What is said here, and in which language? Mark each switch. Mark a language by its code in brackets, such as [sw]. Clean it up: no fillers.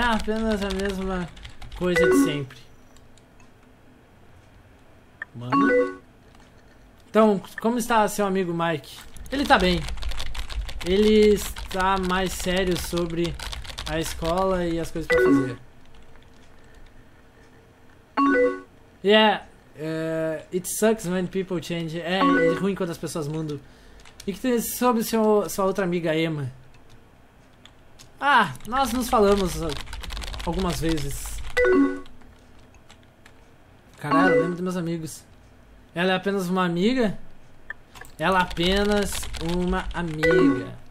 [pt] Apenas a mesma coisa de sempre. Mano. Então, como está seu amigo Mike? Ele tá bem. Ele está mais sério sobre a escola e as coisas pra fazer. [en] Yeah, it sucks when people change. [pt] É, é ruim quando as pessoas mudam. E que tem sobre sua outra amiga, Emma? Ah, nós nos falamos algumas vezes. Caralho, lembro dos meus amigos. Ela é apenas uma amiga? Ela é apenas uma amiga.